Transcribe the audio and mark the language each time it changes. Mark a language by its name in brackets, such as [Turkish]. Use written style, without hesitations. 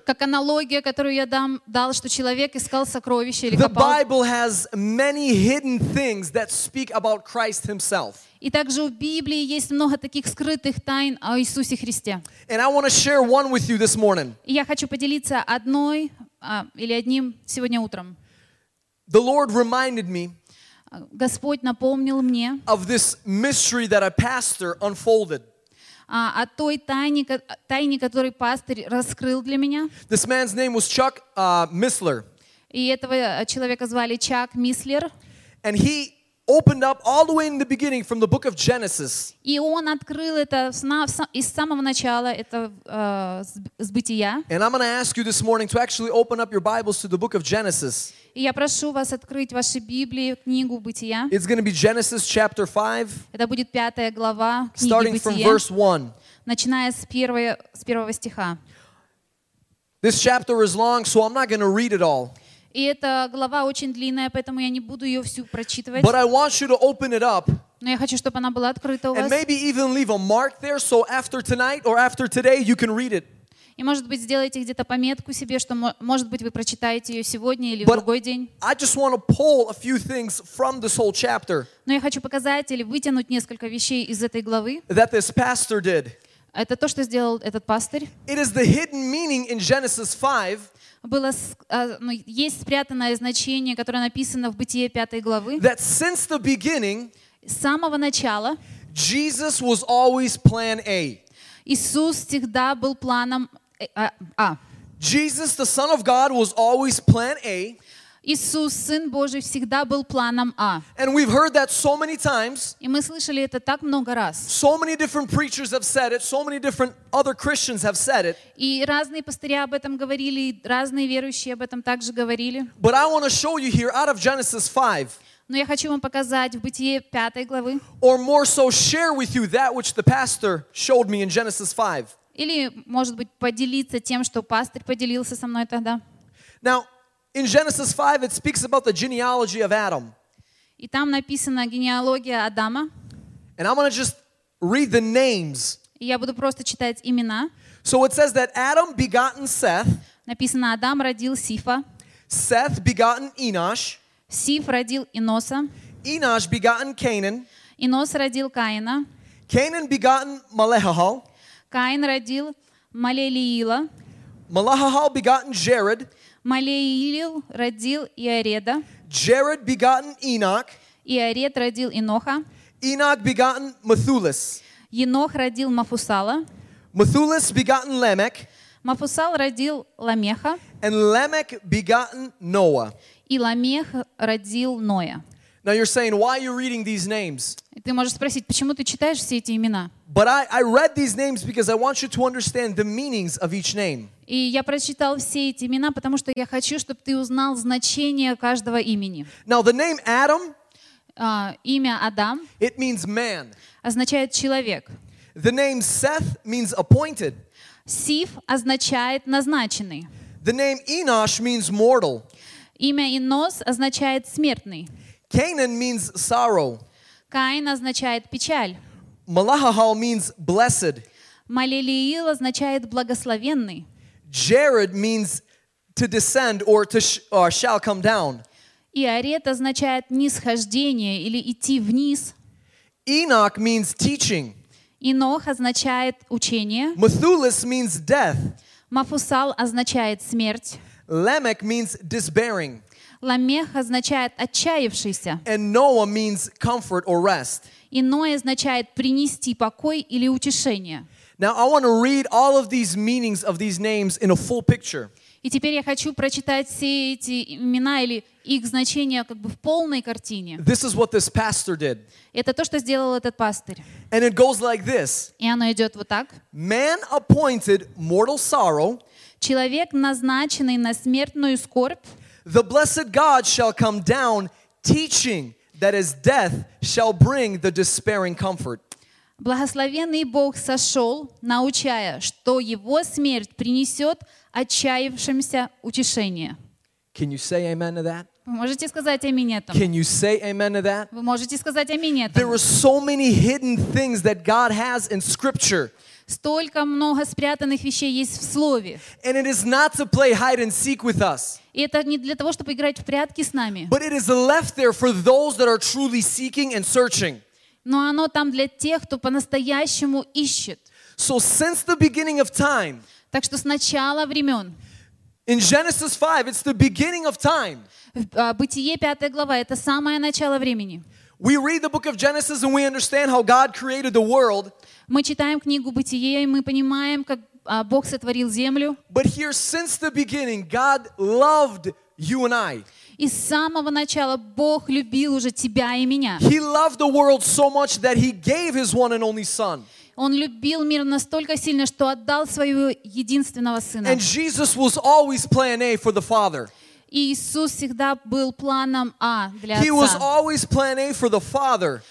[Russian] как аналогия, которую я дал, что человек искал сокровище или копал. [English] The Bible has many hidden things that speak about Christ Himself. [Russian] И также в Библии есть много таких скрытых тайн о Иисусе Христе. [English] And I want to share one with you this morning. [Russian] И я хочу поделиться одной или одним сегодня утром. [English] The Lord reminded me. [Russian] Господь напомнил мне [English] of this mystery that a pastor unfolded. [Russian] о той тайне, тайне, которой пастор раскрыл для меня. [English] This man's name was Chuck Missler. [Russian] И этого человека звали Чак Мислер. [English] And he opened up all the way in the beginning from the book of Genesis. [Russian] И он открыл это из самого начала это с бытия. [English] And I'm going to ask you this morning to actually open up your Bibles to the book of Genesis. [Russian] И я прошу вас открыть ваши Библии, книгу бытия. [English] It's going to be Genesis chapter 5. [Russian] Это будет пятая глава книги бытия. [English] Starting from verse 1. [Russian] Начиная с первого стиха. [English] This chapter is long, so I'm not going to read it all. [Russian] И эта глава очень длинная, поэтому я не буду ее всю прочитывать. [English] But I want you to open it up. [Russian] Но я хочу, чтобы она была открыта у вас. [English] And maybe even leave a mark there, so after tonight or after today you can read it. [Russian] И может быть сделайте где-то пометку себе, что может быть вы прочитаете ее сегодня или в другой день. [English] I just want to pull a few things from this whole chapter. [Russian] Но я хочу показать или вытянуть несколько вещей из этой главы. [English] That this pastor did. [Russian] Это то, что сделал этот пастырь. [English] It is the hidden meaning in Genesis 5. [Russian] Было, ну, есть спрятанное значение, которое написано в Бытие 5 главы. [English] That since the beginning, [Russian] с самого начала, [English] Jesus was always plan A. [Russian] Иисус всегда был планом А. [English] Jesus, the Son of God, was always plan A. [Russian] Иисус, Сын Божий, всегда был планом А. [English] And we've heard that so many times. [Russian] И мы слышали это так много раз. [English] So many different preachers have said it, so many different other Christians have said it. [Russian] И разные пастыри об этом говорили, и разные верующие об этом также говорили. [English] But I want to show you here out of Genesis 5. [Russian] Но я хочу вам показать в Бытие 5 главы. [English] Or more so share with you that which the pastor showed me in Genesis 5. [Russian] Или, может быть, поделиться тем, что пастор поделился со мной тогда. [English] Now, in Genesis 5, it speaks about the genealogy of Adam. [Russian] И там написано генеалогия Адама. [English] And I'm going to just read the names. [Russian] Я буду просто читать имена. [English] So it says that Adam begotten Seth. [Russian] Написано, Адам родил Сифа. [English] Seth begotten Enosh. [Russian] Сиф родил Иноса. [English] Enosh begotten Canaan. [Russian] Инос родил Каина. [English] Canaan begotten Malehahal. [Russian] Каин родил Малелиила. [English] Malehahal begotten Jared. [Russian] Малеилил родил Иареда. [English] Jared begotten Enoch. [Russian] Иаред родил Иноха. [English] Enoch begotten Methuselah. [Russian] Енох родил Мафусала. [English] Methuselah begotten Lamech. [Russian] Мафусал родил Ламеха. [English] And Lamech begotten Noah. [Russian] И Ламех родил Ноя. [English] Now you're saying, why are you reading these names? [Russian] Ты можешь спросить, почему ты читаешь все эти имена? [English] But I read these names because I want you to understand the meanings of each name. [Russian] И я прочитал все эти имена, потому что я хочу, чтобы ты узнал значение каждого имени. [English] Now the name Adam, [Russian] имя Адам, [English] it means man. [Russian] Означает человек. [English] The name Seth means appointed. [Russian] Сиф означает назначенный. [English] The name Enosh means mortal. [Russian] Имя Инос означает смертный. [English] Canaan means sorrow. [Russian] Каин означает печаль. [English] Malehahal means blessed. [Russian] Малелиил означает благословенный. [English] Jared means to descend or to shall come down. [Russian] Иарет означает нисхождение или идти вниз. [English] Enoch means teaching. [Russian] Енох означает учение. [English] Methuselah means death. [Russian] Мафусал означает смерть. [English] Lamech means despairing. [Russian] Ламех означает отчаявшийся. [English] And Noah means comfort or rest. [Russian] И Ноя означает принести покой или утешение. [English] Now I want to read all of these meanings of these names in a full picture. [Russian] И теперь я хочу прочитать все эти имена или их значения как бы в полной картине. [English] This is what this pastor did. [Russian] Это то, что сделал этот пастырь. [English] And it goes like this. [Russian] И оно идет вот так. [English] Man appointed mortal sorrow. [Russian] Человек, назначенный на смертную скорбь. [English] The blessed God shall come down teaching, that is, death shall bring the despairing comfort. [Russian] Благословенный Бог сошел, научая, что его смерть принесет отчаявшимся утешение. [English] Can you say amen to that? [Russian] Вы можете сказать аминь этому? [English] Can you say amen to that? [Russian] Вы можете сказать аминь этому? [English] There are so many hidden things that God has in Scripture. [Russian] Столько много спрятанных вещей есть в Слове. [English] And it is not to play hide and seek with us. [Russian] И это не для того, чтобы играть в прятки с нами. [English] But it is left there for those that are truly seeking and searching. [Russian] Но оно там для тех, кто по-настоящему ищет. [English] So since the beginning of time. [Russian] Так что с начала времен. [English] In Genesis 5, it's the beginning of time. [Russian] Бытие 5 глава, это самое начало времени. [English] We read the book of Genesis and we understand how God created the world. [Russian] Мы читаем книгу Бытие, и мы понимаем, как Бог сотворил землю. [English] But here, since the beginning, God loved you and I. [Russian] И с самого начала Бог любил уже тебя и меня. [English] He loved the world so much that he gave his one and only son. [Russian] Он любил мир настолько сильно, что отдал своего единственного сына. [English] And Jesus was always plan A for the Father. [Russian] И Иисус всегда был планом А для Отца. [English] He was always plan A for the Father.